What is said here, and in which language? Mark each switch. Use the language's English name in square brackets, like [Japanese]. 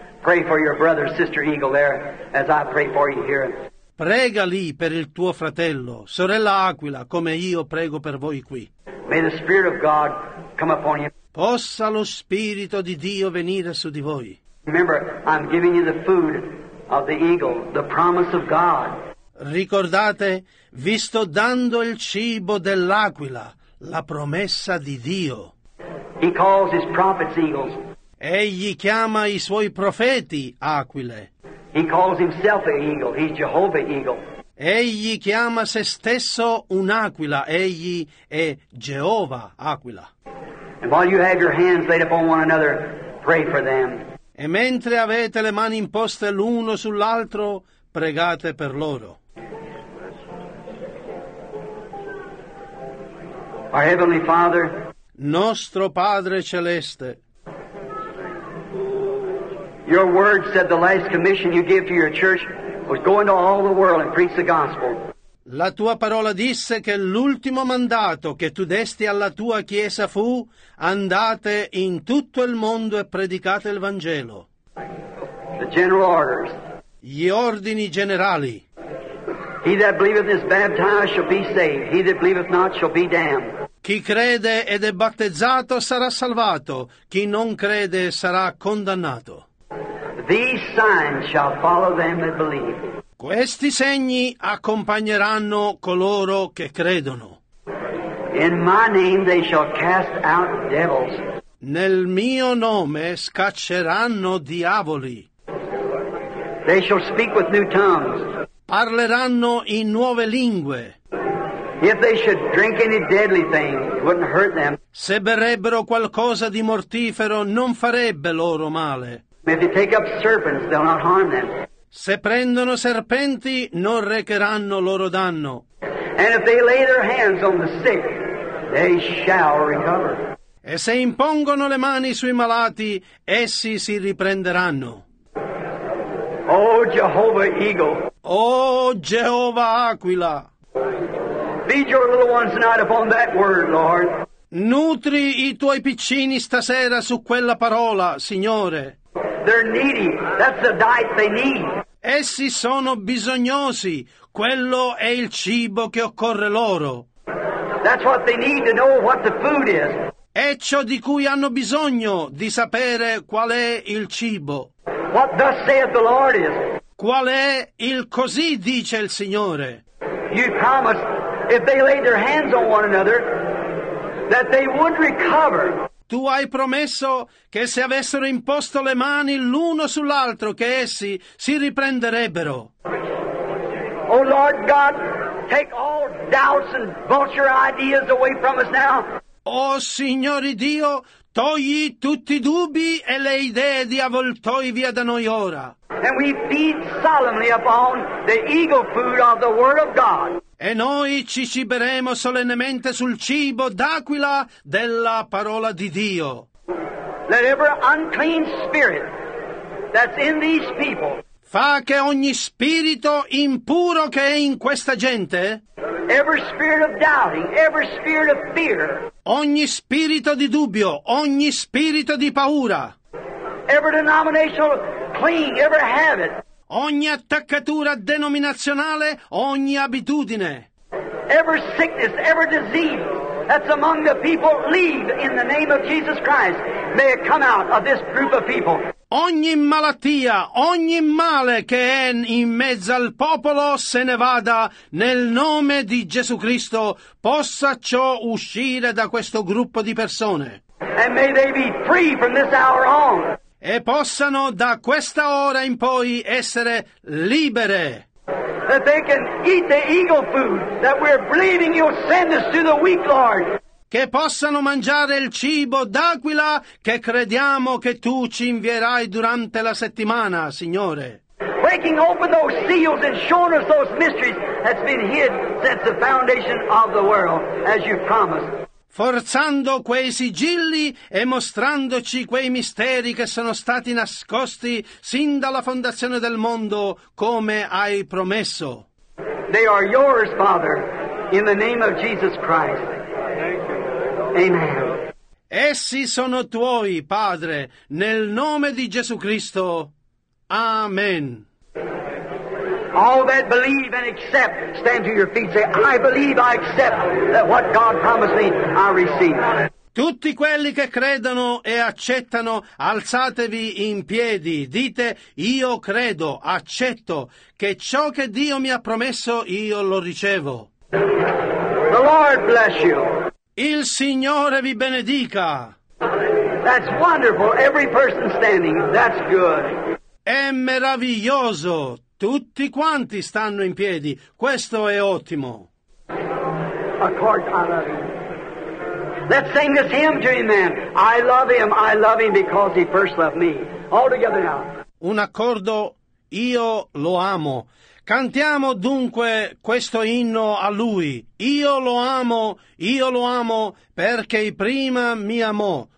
[English] Pray for your brother, sister eagle there, as I pray for you here. [Italian] Prega lì per il tuo fratello, sorella aquila, come io prego per voi qui. [English] May the Spirit of God come upon you. [Italian] Possa lo Spirito di Dio venire su di voi. [English] Remember, I'm giving you the food of the eagle, the promise of God. [Italian] Ricordate, vi sto dando il cibo dell'aquila, la promessa di Dio. [English] He calls his prophets eagles. [Italian] Egli chiama i suoi profeti aquile. [English] He calls himself an eagle. He's Jehovah eagle. [Italian] Egli chiama se stesso un'aquila. Egli è Geova aquila. [English] And while you have your hands laid upon one another, pray for them. [Italian] E mentre avete le mani imposte l'uno sull'altro, pregate per loro. [English] Our Heavenly Father, [Italian] nostro Padre Celeste, [English] your word said the last commission you gave to your church was go into all the world and preach the gospel. [Italian] La tua parola disse che l'ultimo mandato che tu desti alla tua chiesa fu andate in tutto il mondo e predicate il Vangelo. [English] The general orders. [Italian] Gli ordini generali. [English] He that believeth is baptized shall be saved. He that believeth not shall be damned. [Italian] Chi crede ed è battezzato sarà salvato. Chi non crede sarà condannato. [English] These signs shall follow them that believe. [Italian] Questi segni accompagneranno coloro che credono. [English] In my name they shall cast out devils. [Italian] Nel mio nome scacceranno diavoli. [English] They shall speak with new tongues. [Italian] Parleranno in nuove lingue. [English] If they should drink any deadly thing, it wouldn't hurt them. [Italian] Se berrebbero qualcosa di mortifero, non farebbe loro male. [English] If they take up serpents, they'll not harm them. [Italian] Se prendono serpenti, non recheranno loro danno. [English] And if they lay their hands on the sick, they shall recover. [Italian] E se impongono le mani sui malati, essi si riprenderanno. [English] Oh, Jehovah Eagle. [Italian] Oh, Jehovah Aquila. [English] Feed your little ones tonight upon that word, Lord. [Italian] Nutri i tuoi piccini stasera su quella parola, Signore. [English] They're needy. That's the diet they need. [Italian] Essi sono bisognosi. Quello è il cibo che occorre loro. [English] That's what they need to know what the food is. [Italian] è ciò di cui hanno bisogno di sapere qual è il cibo. [English] What thus saith the Lord is. [Italian] Qual è il così dice il Signore? [English] You promised if they laid their hands on one another that they would recover. [Italian] Tu hai promesso che se avessero imposto le mani l'uno sull'altro che essi si riprenderebbero. [English] Oh Lord God, take all doubts and vulture ideas away from us now. [Italian] Oh Signore Dio, togli tutti i dubbi e le idee di avvoltoi via da noi ora. [English] And we feed solemnly upon the eagle food of the Word of God. [Italian] E noi ci ciberemo solennemente sul cibo d'aquila della parola di Dio. [English] Let every unclean spirit that's in these people. [Italian] Fa che ogni spirito impuro che è in questa gente. [English] Every spirit of doubting, every spirit of fear. [Italian] Ogni spirito di dubbio, ogni spirito di paura. [English] Every denominational cling, every habit. [Italian] Ogni attaccatura denominazionale, ogni abitudine. [English] Every sickness, every disease that's among the people, leave in the name of Jesus Christ. May it come out of this group of people. [Italian] Ogni malattia, ogni male che è in mezzo al popolo se ne vada nel nome di Gesù Cristo, possa ciò uscire da questo gruppo di persone. [English] And may they be free from this hour on. [Italian] E possano da questa ora in poi essere libere. [English] That they can eat the eagle food that we're believing you'll send us to the weak, Lord. [Italian] Che possano mangiare il cibo d'aquila che crediamo che tu ci invierai durante la settimana, Signore. [English] Breaking open those seals and showing us those mysteries that's been hid since the foundation of the world, as you promised. [Italian] Forzando quei sigilli e mostrandoci quei misteri che sono stati nascosti sin dalla fondazione del mondo, come hai promesso. [English] They are yours, Father, in the name of Jesus Christ. Amen. [Italian] Essi sono tuoi, Padre, nel nome di Gesù Cristo. Amen. [English] All that believe and accept, stand to your feet, say, I believe, I accept that what God promised me, I receive. [Italian] Tutti quelli che credono e accettano, alzatevi in piedi, dite, io credo, accetto, che ciò che Dio mi ha promesso, io lo ricevo. [English] The Lord bless you. [Italian] Il Signore vi benedica. [English] That's wonderful, every person standing, that's good. [Italian] È meraviglioso. Tutti quanti stanno in piedi. Questo è ottimo. [English] Of course I love him. Let's sing this hymn to him, man. I love him because he first loved me. All together now. [Italian] Un accordo, io lo amo. Cantiamo dunque questo inno a lui. Io lo amo perché prima mi amò.